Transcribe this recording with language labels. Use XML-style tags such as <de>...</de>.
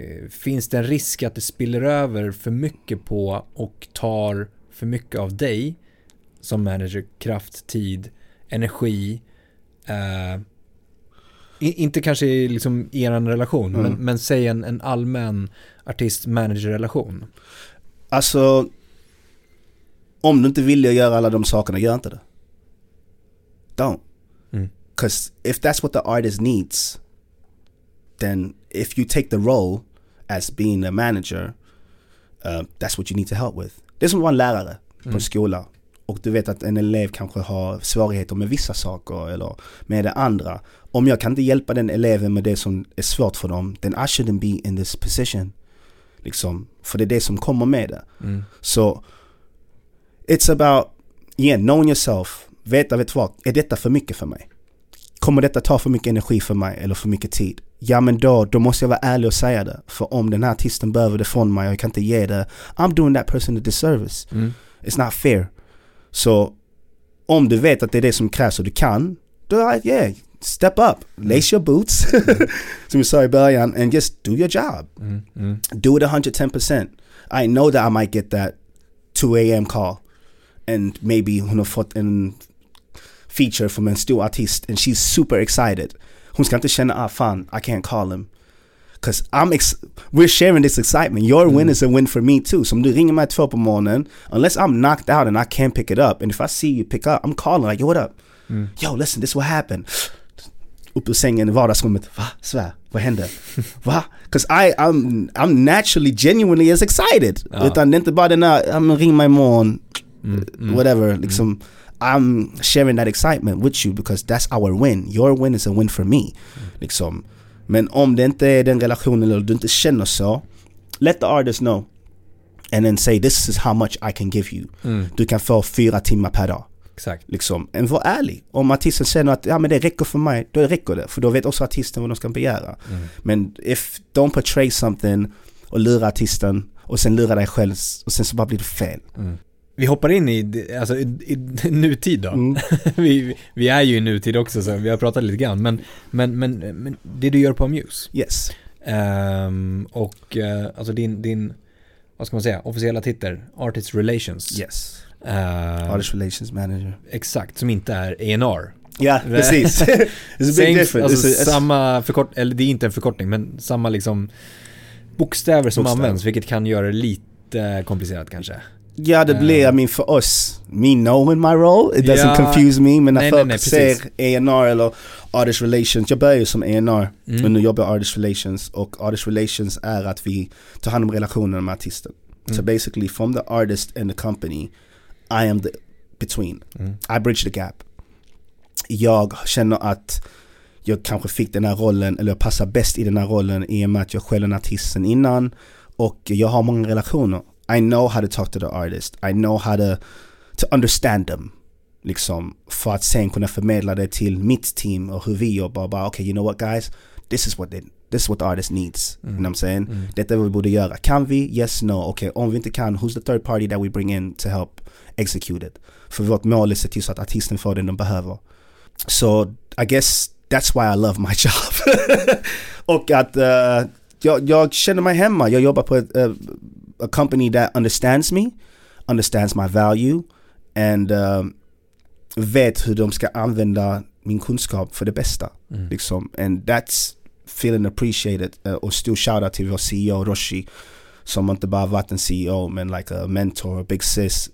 <sv>Finns det en risk att det spiller över för mycket på och tar för mycket av dig som manager, kraft, tid, energi, inte kanske liksom i er relation, men säg en allmän artist-manager-relation. Alltså, om du inte vill göra alla de sakerna, gör inte det.</sv> <en>Don't. 'Cause if that's what the artist needs, then if you take the role as being a manager, that's what you need to help with.</en> <sv>Det är som att vara en lärare på skola och du vet att en elev kanske har svårigheter med vissa saker eller med det andra. Om jag kan inte hjälpa den eleven med det som är svårt för dem,</sv> <en>then I shouldn't be in this position.</en> <sv>Liksom, för det är det som kommer med det. Så</sv> <en>it's about, yeah, knowing yourself.</en> <sv>Veta, vet vad, är detta för mycket för mig? Kommer detta ta för mycket energi för mig eller för mycket tid? Ja, men då måste jag vara ärlig och säga det. För om den här artisten behöver det från mig och jag kan inte ge det,</sv> <en>I'm doing that person a disservice. It's not fair.</en> <sv>Så om du vet att det är det som krävs och du kan, då</sv> <en>yeah, step up, lace your boots,</en> <sv>som jag sa i början,</sv> <en>and just do your job. Do it 110%. I know that I might get that 2 a.m. call and maybe</en> <sv>hon har fått en</sv> <en>feature from a stor artist and she's super excited.</en> <sv>Hon ska inte känna, ah fan,</sv> <en>I can't call him. Because I'm we're sharing this excitement. Your win is a win for me too. So</en> <sv>om du ringer mig 2 på morgonen,</sv> <en>unless I'm knocked out and I can't pick it up, and if I see you pick up, I'm calling like, yo, what up? Yo, listen, this is what happened.</en> <sv>Upp ur sängen i vardagsrummet. Va? Svär? Vad händer? Va?</sv> <en>Because I'm naturally, genuinely as excited. Ja.</en> <sv>Utan det är inte bara den här,</sv> <en>I'm</en> <sv>ring mig imorgon, whatever.</sv> <en>Liksom, I'm sharing that excitement with you because that's our win. Your win is a win for me. Liksom.</en> <sv>Men om det inte är den relationen eller du inte känner så,</sv> <en>let the artist know. And then say, this is how much I can give you.</en> <sv>Du kan få 4 timmar per dag. Exakt. Liksom. Men var ärlig. Om artisten säger att ja, men det räcker för mig, då räcker det. För då vet också artisten vad de ska begära. Men</sv> <en>if</en> <sv>de portray something och lurar artisten och sen lurar dig själv och sen så bara blir det fel. Vi hoppar in i, alltså, i nutid då. vi är ju i nutid också, så vi har pratat lite grann. Men det du gör på Muse. Yes. Och alltså din vad ska man säga, officiella titel, Artist Relations.</sv> <en>Yes. Artist Relations Manager.</en> <sv>Exakt, som inte är A&R. Ja, precis.</sv> <en>It's a big difference.</en> <sv>Alltså, samma förkortning, eller det är inte en förkortning, men samma liksom bokstäver som används, vilket kan göra det lite komplicerat kanske. Ja, det blir,</sv> <en>I mean, för oss, me knowing my role, it doesn't confuse me.</en> <sv>Men när folk ser A&R eller Artist Relations, jag börjar ju som A&R, men nu jobbar Artist Relations. Och Artist Relations är att vi tar hand om relationerna med artisten.</sv> <en>So basically, from the artist and the company, I am the between. I bridge the gap.</en> <sv>Jag känner att jag kanske fick den här rollen, eller jag passar bäst i den här rollen, i och med att jag själv är en artist sen innan och jag har många relationer.</sv> <en>I know how to talk to the artist. I know how to understand them.</en> <sv>Liksom, för att sen kunna förmedla det till mitt team och hur vi jobbar.</sv> <en>Bara, okay, you know what guys? This is what the artist needs. You know what I'm saying?</en> <sv>Detta vi borde göra. Kan vi?</sv> <en>Yes, no. Okay,</en> <sv>om vi inte kan,</sv> <en>who's the third party that we bring in to help execute it?</en> <sv>För vårt mål är att se att artisten får det de behöver.</sv> <en>So I guess that's why I love my job.</en> <sv>Och att jag känner mig hemma. Jag jobbar på</sv> <en>a company that understands me, understands my value, and</en> <sv>vet hur de ska använda min kunskap för det bästa. Liksom.</sv> <en>And that's feeling appreciated.</en> <sv>Och stor shout out till vår CEO Roshi, som inte bara varit en CEO, men</sv> <en>like a mentor, a big sis.</en>